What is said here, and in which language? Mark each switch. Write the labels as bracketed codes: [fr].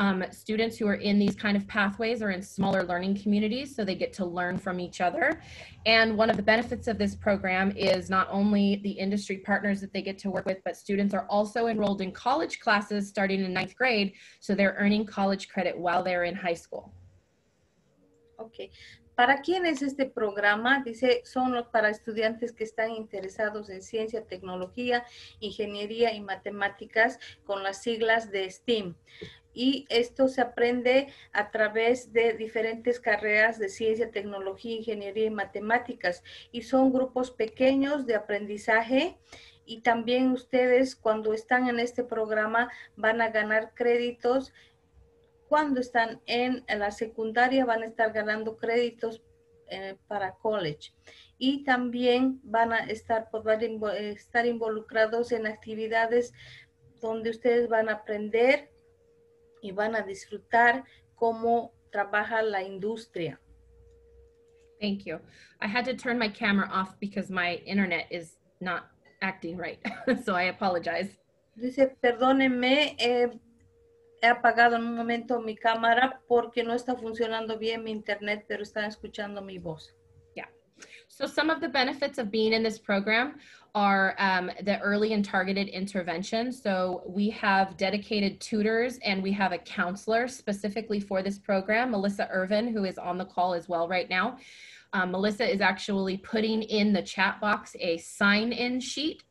[en] Students who are in these kind of pathways are in smaller learning communities, so they get to learn from each other. And one of the benefits of this program is not only the industry partners that they get to work with, but students are also enrolled in college classes starting in ninth grade, so they're earning college credit while they're in high school. [es] Okay. ¿Para quién es este programa? Dice, son los para estudiantes que están interesados en ciencia, tecnología, ingeniería y matemáticas con las siglas de STEAM. Y esto se aprende a través de diferentes carreras de ciencia, tecnología, ingeniería y matemáticas. Y son grupos pequeños de aprendizaje. Y también ustedes cuando están en este programa van a ganar créditos. Cuando están en la secundaria van a estar ganando créditos para college y también van a estar, poder estar involucrados en actividades donde ustedes van a aprender y van a disfrutar cómo trabaja la industria. [en] Thank you. I had to turn my camera off because my internet is not acting right, so I apologize. [es] Dice, perdónenme, he apagado en un momento mi cámara porque no está funcionando bien mi internet, pero están escuchando mi voz. [en] Yeah. So some of the benefits of being in this program are the early and targeted intervention. So we have dedicated tutors and we have a counselor specifically for this program, Melissa Irvin, who is on the call as well right now. Melissa is actually putting in the chat box a sign-in sheet.